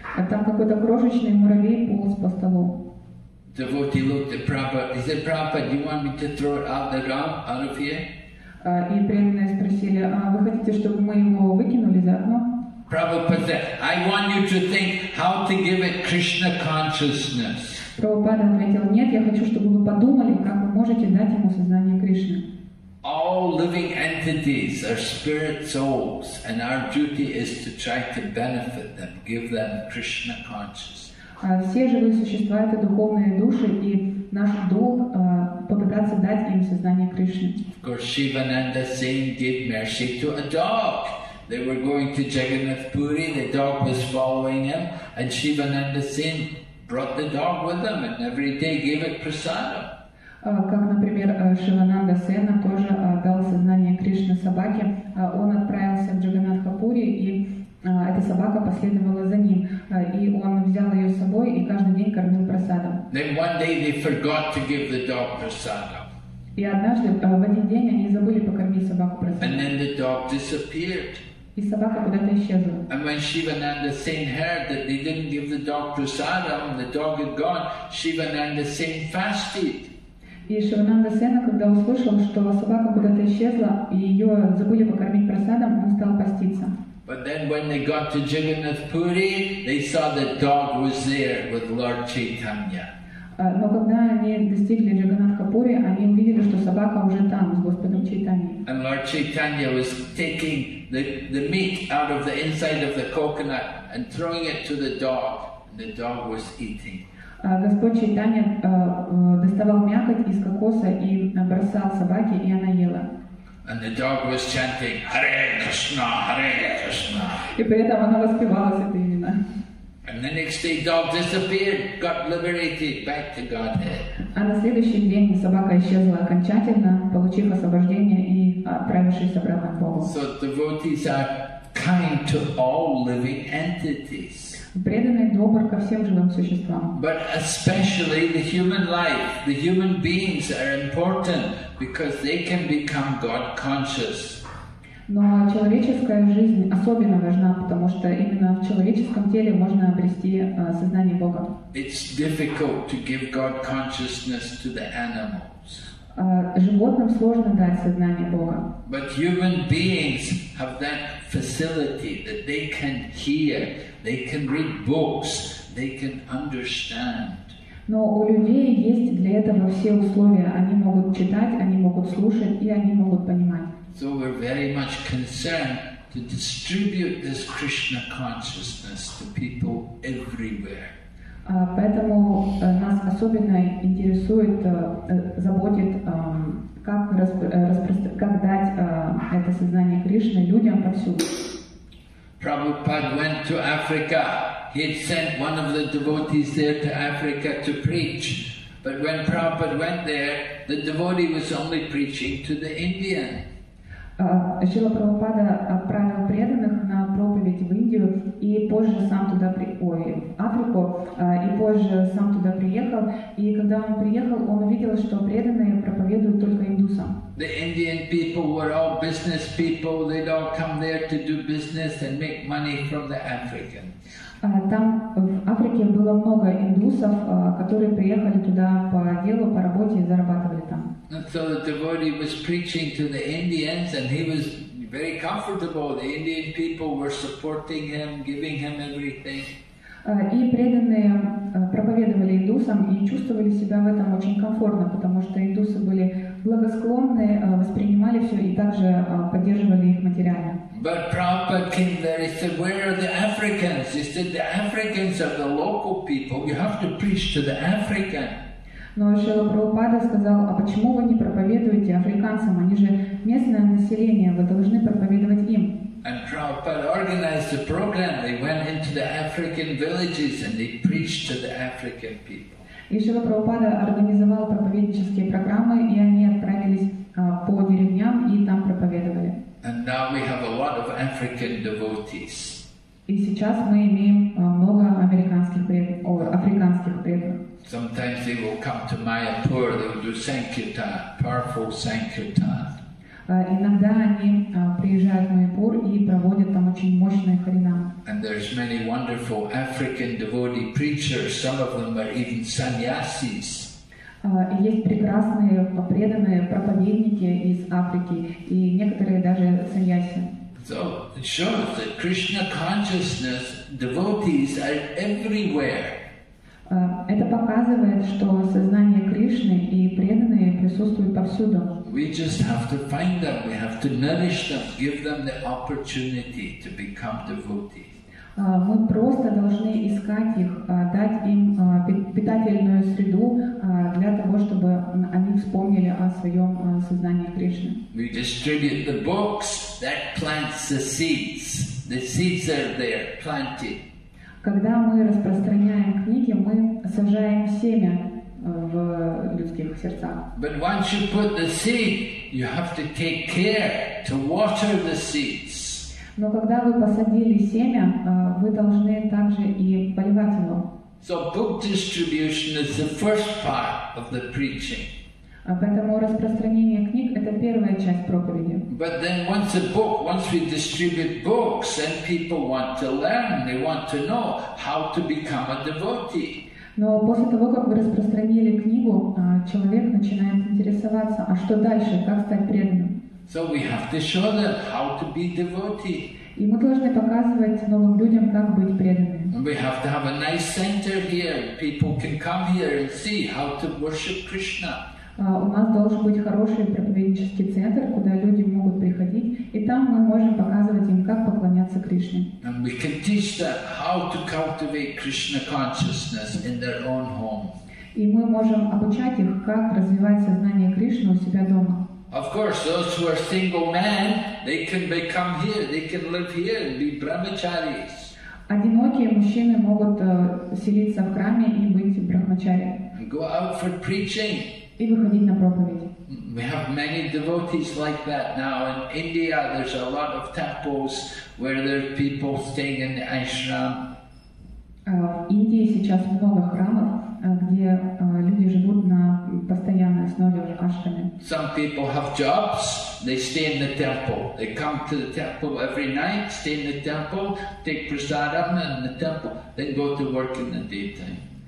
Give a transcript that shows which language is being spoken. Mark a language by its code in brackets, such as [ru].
[ru] Там какой-то крошечный муравей полз по столу. [en] Devotee looked at Prabhupada. He said, Prabhupada, do you want me to throw it out the room, out of here? [ru] И преданные спросили, «Вы хотите, чтобы мы его выкинули за окно?» [en] Prabhupada said, I want you to think how to give it Krishna consciousness. [ru] Прабхупада ответил, нет, я хочу, чтобы вы подумали, как вы можете дать ему сознание Кришны. [en] All living entities are spirit souls, and our duty is to try to benefit them, give them Krishna consciousness. [ru] Все живые существа — это духовные души, и наш долг — попытаться дать им сознание Кришны. [en] Of course, Shivananda Singh gave mercy to a dog. They were going to Jagannath Puri, the dog was following him, and Shivananda Singh brought the dog with him and every day gave it prasadam. [ru] Как, например, Шивананда Сена тоже дал сознание Кришны собаке. Он отправился в Джаганатхапури, и эта собака последовала за ним. И он взял ее с собой и каждый день кормил прасадом. [en] Then one day they forgot to give the dog prasadam. [ru] И однажды в один день они забыли покормить собаку прасадом. [en] And then the dog disappeared. [ru] И собака куда-то исчезла. [en] And when Shivananda Singh heard that they didn't give the dog prasadam, the dog had gone, Shivananda Singh fasted. [ru] И Шивананда Сена, когда услышал, что собака куда-то исчезла, и ее забыли покормить прасадом, он стал поститься. [en] But then when they got to Jagannath Puri, they saw the dog was there with Lord Chaitanya. [ru] Но когда они достигли Джаганнатха Пури, они увидели, что собака уже там с Господом Чайтаньей. [en] And Lord Chaitanya was taking the meat out of the inside of the coconut and throwing it to the dog, and the dog was eating. [ru] Господь Чайтанья доставал мякоть из кокоса и бросал собаке, и она ела. [en] And the dog was chanting Hare Krishna, Hare Krishna. [ru] И при этом она воспевала святые имена. [en] And the next day, dog disappeared, got liberated back to Godhead. [ru] А на следующий день собака исчезла окончательно, получив освобождение и отправившись обратно к Богу. [en] So devotees are kind to all living entities. [ru] Преданный добр ко всем живым существам. [en] But especially the human life, the human beings are important because they can become God conscious. [ru] Но человеческая жизнь особенно важна, потому что именно в человеческом теле можно обрести сознание Бога. [en] It's difficult to give God consciousness to the animals. [ru] Животным сложно дать сознание Бога. [en] But human beings have that facility that they can hear, they can read books, they can understand. [ru] Но у людей есть для этого все условия. Они могут читать, они могут слушать и они могут понимать. [en] So we're very much concerned to distribute this Krishna consciousness to people everywhere. [ru] Поэтому нас особенно интересует, заботит, как дать это сознание Кришны людям повсюду. [en] Prabhupada went to Africa. He had sent one of the devotees there to Africa to preach. But when Prabhupada went there, the devotee was only preaching to the Indian. [ru] Шрила Прабхупада отправил преданных на проповедь в Индию и позже сам туда Африку, и позже сам туда приехал, и когда он приехал, он увидел, что преданные проповедуют только индусам. [en] The Indian people were all business people, they'd all come there to do business and make money from the African. [ru] Там в Африке было много индусов, которые приехали туда по делу, по работе и зарабатывали там. [en] And so the devotee was preaching to the Indians and he was very comfortable. The Indian people were supporting him, giving him everything. [ru] И преданные проповедовали индусам и чувствовали себя в этом очень комфортно, потому что индусы были благосклонны, воспринимали все и также поддерживали их материально. [en] But Prabhupada came there and said, where are the Africans? He said, the Africans are the local people. You have to preach to the Africans. [ru] Но Шрила Прабхупада сказал, а почему вы не проповедуете африканцам? Они же местное население, вы должны проповедовать им. [en] And Prabhupada organized a program. They went into the African villages and they preached to the African people. [ru] И Шрила Прабхупада организовал проповеднические программы, и они отправились по деревням и там проповедовали. [en] And now we have a lot of African devotees. [ru] И сейчас мы имеем много американских преданных, африканских преданных. [en] Sometimes they will come to Mayapur, they will do sankirtan, powerful sankirtan. [ru] Иногда они приезжают в Майяпур и проводят там очень мощные харинамы. [en] And there's many wonderful African devotee preachers, some of them are even sannyasis. [ru] Есть прекрасные преданные проповедники из Африки и некоторые даже саньяси. [en] So it shows that Krishna consciousness devotees are everywhere. [ru] Это показывает, что сознание Кришны и преданные присутствуют повсюду. [en] We just have to find them, we have to nourish them, give them the opportunity to become devotees. [ru] Мы просто должны искать их, дать им питательную среду для того, чтобы они вспомнили о своем сознании Кришны. [en] We distribute the books, that plants the seeds. The seeds are there, planted. [ru] Когда мы распространяем книги, мы сажаем семя в людских сердцах. [en] But once you put the seed, you have to take care to water the seeds. [ru] Но когда вы посадили семя, вы должны также и поливать его. [en] So book distribution is the first part of the preaching. [ru] Поэтому распространение книг – это первая часть проповеди. [en] But then once a book, once we distribute books, then people want to learn, they want to know how to become a devotee. [ru] Но после того, как вы распространили книгу, человек начинает интересоваться, а что дальше, как стать преданным? [en] So we have to show them how to be devotee. [ru] И мы должны показывать новым людям, как быть преданными. [en] We have to have a nice center here. People can come here and see how to worship Krishna. [ru] У нас должен быть хороший проповеднический центр, куда люди могут приходить, и там мы можем показывать им, как поклоняться Кришне. [en] And we can teach them how to cultivate Krishna consciousness in their own home. [ru] И мы можем обучать их, как развивать сознание Кришны у себя дома. [en] Of course, those who are single men, they can become here, they can live here and be brahmacharis. [ru] Одинокие мужчины могут селиться в храме и быть брахмачари. [en] And go out for preaching. [ru] И выходить на проповеди. [en] We have many devotees like that now in India. There's a lot of temples where there are people staying in the ashram. [ru] В Индии сейчас много храмов, где люди живут на постоянной основе в ашраме. [en] Some people have jobs. They stay in the temple. They come to the temple every night, stay in the temple, take prasadam in the temple, then go to work in the daytime.